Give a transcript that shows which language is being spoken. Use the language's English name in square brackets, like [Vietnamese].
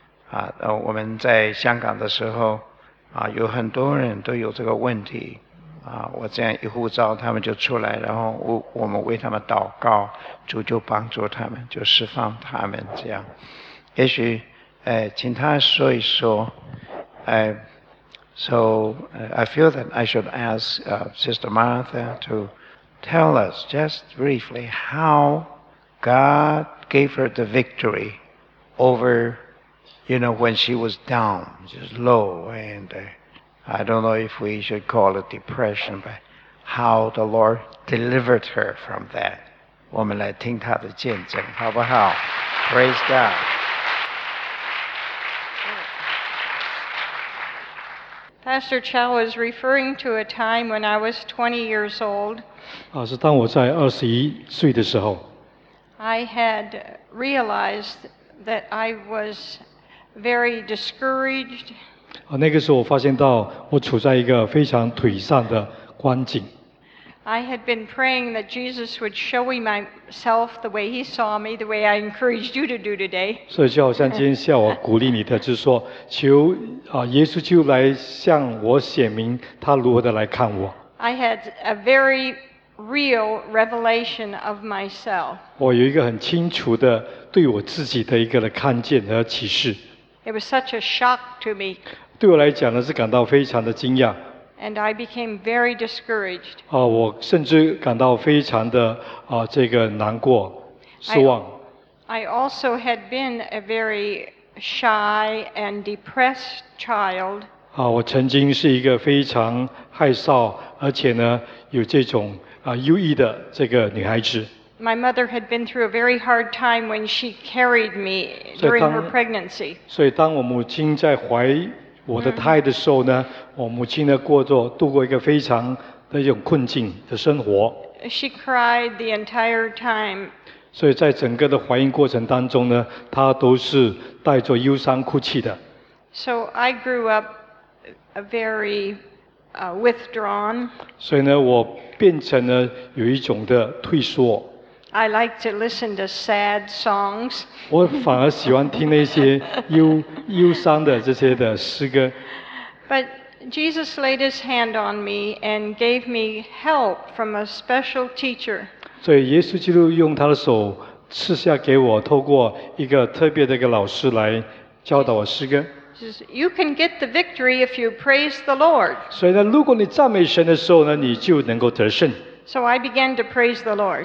[Chinese] 啊，我们在香港的时候，啊，有很多人都有这个问题。啊，我这样一呼召他们就出来，然后我们为他们祷告，主就帮助他们，就释放他们这样。也许请他说一说。 [English] I feel that I should ask Sister Martha to tell us just briefly how God gave her the victory over, you know, when she was down, just low and I don't know if we should call it depression, but how the Lord delivered her from that. [Chinese] 我们来听她的见证，好不好？ [English] Praise God. Pastor Chow was referring to a time when I was 20 years old. [Chinese] 是当我在21岁的时候。 [English] I had realized that I was very discouraged. [Chinese] 那个时候我发现到我处在一个非常颓丧的光景。 [English] I had been praying that Jesus would show me myself the way he saw me, the way I encouraged you to do today. [Chinese] 所以就好像今天下午鼓励你的，就是说求耶稣就来向我显明他如何的来看我。 [English] I had a very real revelation of myself. [Chinese] 我有一个很清楚的对我自己的一个的看见和启示。 [English] It was such a shock to me. [Chinese] 对我来讲呢，是感到非常的惊讶。 [English] And I became very discouraged. [Chinese] 我甚至感到非常的这个难过，失望。 [English] I also had been a very shy and depressed child. [Chinese] 啊，我曾经是一个非常害臊，而且呢有这种啊忧郁的这个女孩子。 [English] My mother had been through a very hard time when she carried me during her pregnancy. [Chinese] 所以当我母亲在怀我的胎的时候呢，我母亲呢过着度过一个非常的一种困境的生活。 [English] She cried the entire time. [Chinese] 所以在整个的怀孕过程当中呢，她都是带着忧伤哭泣的。 [English] So I grew up a very withdrawn. [Chinese] 所以呢，我变成了有一种的退缩。 [English] I like to listen to sad songs. [Chinese] 我反而喜欢听那些忧伤的这些的诗歌。 [English] But Jesus laid his hand on me and gave me help from a special teacher. [Chinese] 所以耶稣基督用他的手赐下给我，透过一个特别的一个老师来教导我诗歌。 [English] You can get the victory if you praise the Lord. [Chinese] 所以呢，如果你赞美神的时候呢，你就能够得胜。 [English] So I began to praise the Lord.